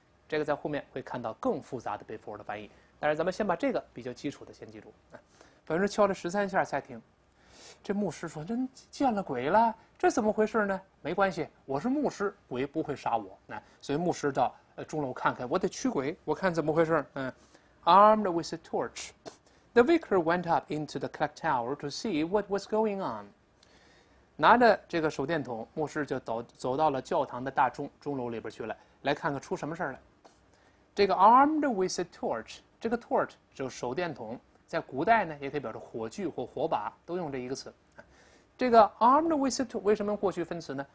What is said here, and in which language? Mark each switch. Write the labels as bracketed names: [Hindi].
[Chinese] 这个在后面会看到更复杂的 before 的翻译，但是咱们先把这个比较基础的先记住啊。反正敲了13下才停。这牧师说：“真见了鬼了，这怎么回事呢？” 没关系，我是牧师，鬼不会杀我。所以牧师到钟楼看看，我得驱鬼，我看怎么回事。 [English] Armed with a torch, the vicar went up into the clock tower to see what was going on. [Chinese] 拿着这个手电筒，牧师就走到了教堂的大钟楼里边去了，来看看出什么事来。这个 [English] armed with a torch, [Chinese] 这个 torch 就是手电筒，在古代呢也可以表示火炬或火把，都用这一个词。这个 [English] armed with a torch [Chinese] 为什么用过去分词呢？